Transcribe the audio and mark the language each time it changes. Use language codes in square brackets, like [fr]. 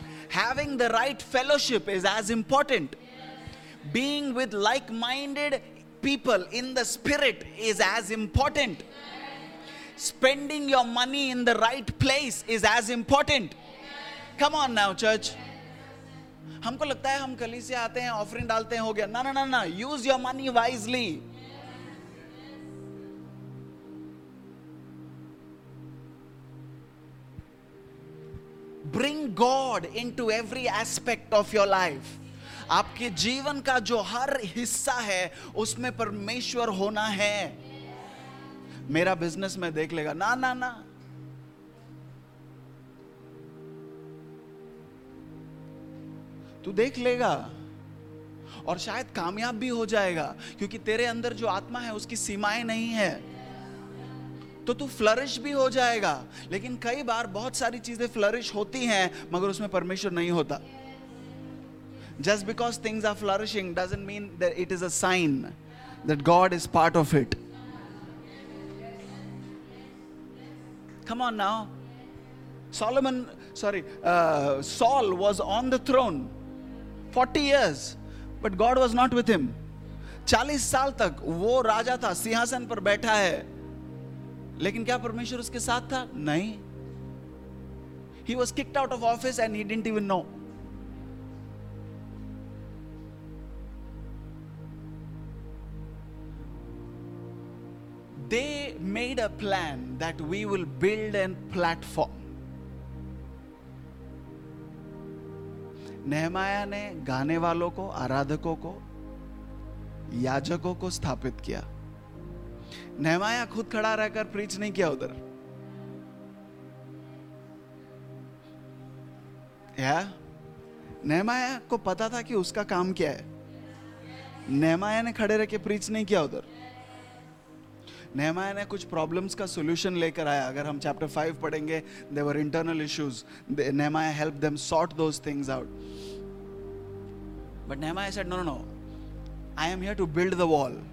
[en] Having the right fellowship is as important. Being with like-minded people in the spirit is as important. Spending your money in the right place is as important. Come on now, church. [hi] हमको लगता है हम कलीसिया आते हैं, offering डालते हैं, हो गया. ना ना ना ना, [en] Use your money wisely. Bring God into every aspect of your life. [hi] आपके जीवन का जो हर हिस्सा है उसमें परमेश्वर होना है. मेरा बिजनेस में देख लेगा. ना ना ना, तू देख लेगा और शायद कामयाब भी हो जाएगा, क्योंकि तेरे अंदर जो आत्मा है उसकी सीमाएं नहीं है. तो तू फ्लरिश भी हो जाएगा. लेकिन कई बार बहुत सारी चीजें फ्लरिश होती हैं मगर उसमें परमेश्वर नहीं होता. [en] Just because things are flourishing doesn't mean that it is a sign that God is part of it. Come on now. Saul was on the throne 40 years, but God was not with him. [hi] 40 साल तक वो राजा था, सिंहासन पर बैठा है, लेकिन क्या परमेश्वर उसके साथ था? नहीं. [en] He was kicked out of office and he didn't even know. They made a plan that we will build a platform. [hi] नहमाया ने गाने वालों को, आराधकों को, याजकों को स्थापित किया. नहमाया खुद खड़ा रहकर प्रीच नहीं किया उधर. नहमाया को पता था कि उसका काम क्या है. नहमाया ने खड़े रहकर प्रीच नहीं किया उधर. नहमाया ने कुछ प्रॉब्लम्स का सोल्यूशन लेकर आया. अगर हम चैप्टर 5 पढ़ेंगे, [en] They were internal issues, Nehemiah help them sort those things out. But Nehemiah said, no, I am here to build the wall.